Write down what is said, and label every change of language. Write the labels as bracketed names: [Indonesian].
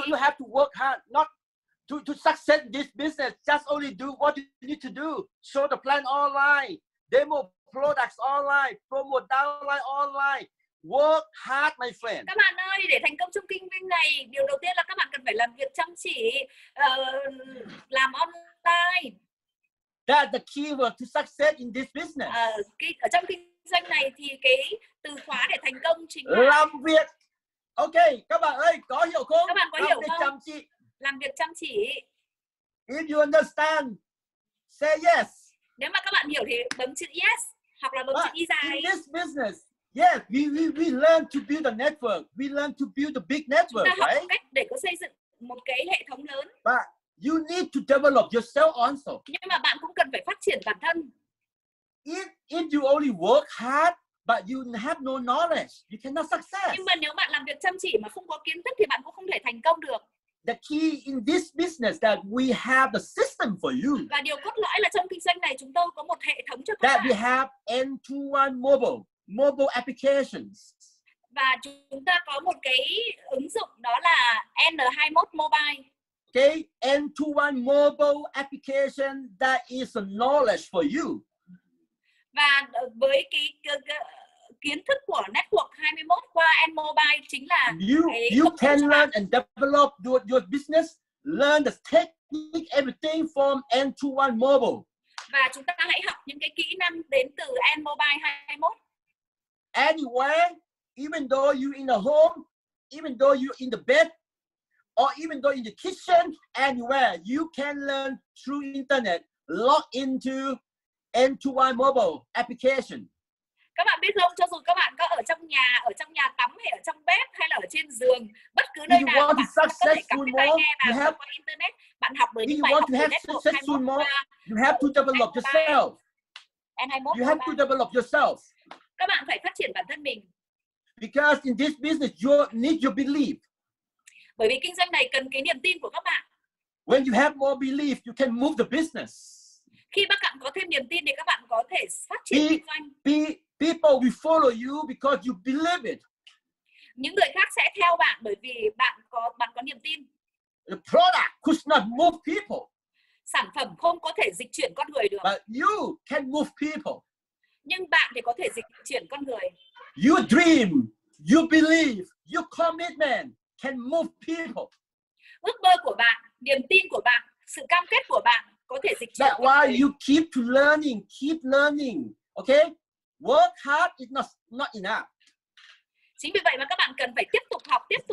[English] You have to work hard, not to succeed this business. Just only do what you need to do. Show the plan online, demo products online, promote downline online. Work hard, my friend. [Vietnamese] Các bạn ơi, để thành công trong kinh doanh này, điều đầu tiên là các bạn cần phải làm việc chăm chỉ, làm online. [English] That's the key word to success in this business. [Vietnamese] Ở trong kinh doanh này thì cái từ khóa để thành công chính là làm việc. Ok, các bạn ơi, có hiểu không? Các bạn có làm hiểu việc không? Chăm chỉ. Làm việc chăm chỉ. [English] If you understand, say yes. [Vietnamese] Nếu mà các bạn hiểu thì bấm chữ yes hoặc là bấm [English] But [Vietnamese] chữ y dài. [English] In this business, yes, we learn to build a network. We learn to build a big network, right? [Vietnamese] Học cách để có xây dựng một cái hệ thống lớn. [English] But you need to develop yourself also. [Vietnamese] Nhưng mà bạn cũng cần phải phát triển bản thân. [English] If you only work hard but you have no knowledge, you cannot success. [Vietnamese] Nhưng mà nếu bạn làm việc chăm chỉ mà không có kiến thức thì bạn cũng không thể thành công được. [English] The key in this business that we have a system for you. [Vietnamese] Và điều cốt lõi là trong kinh doanh này chúng tôi có một hệ thống cho các [English] that [Vietnamese] bạn. [English] That we have end-to-end mobile applications. [Vietnamese] Và chúng ta có một cái ứng dụng đó là N21 Mobile. [English] Okay, end-to-end mobile application that is a knowledge for you. [Vietnamese] Và với kiến thức của Network 21 qua N Mobile chính là [English] you can learn and develop your business, learn the technique, everything from N21 Mobile. [Vietnamese] Và chúng ta hãy học những cái kỹ năng đến từ N Mobile 21. [English] Anywhere, even though you're in the home, even though you're in the bed, or even though in the kitchen, anywhere, you can learn through internet, log into N21 Mobile application. [Vietnamese] Các bạn biết không, cho dù các bạn có ở trong nhà tắm hay ở trong bếp hay là ở trên giường, bất cứ nơi nào bạn có thể cắm cái tai nghe vào qua internet, bạn học được những bài học từ Network 21. [English] You have to develop yourself. You have to develop yourself. [Vietnamese] Các bạn phải phát triển bản thân mình. [English] Because in this business you need your belief. [Vietnamese] Bởi vì kinh doanh này cần cái niềm tin của các bạn. [English] When you have more belief, you can move the business. [Vietnamese] Khi các bạn có thêm niềm tin thì các bạn có thể phát triển kinh doanh. [English] People will follow you because you believe it. [Vietnamese] Những người khác sẽ theo bạn bởi vì bạn có niềm tin. [English] The product could not move people. [Vietnamese] Sản phẩm không có thể dịch chuyển con người được. [English] But you can move people. [Vietnamese] Nhưng bạn thì có thể dịch chuyển con người. [English] Your dream, your belief, your commitment can move people. [Vietnamese] Ước mơ của bạn, niềm tin của bạn, sự cam kết của bạn có thể dịch chuyển. [English] That's why you keep to learning, keep learning, okay? Work hard is not enough. [Vietnamese] Chính vì vậy mà các bạn cần phải tiếp tục học.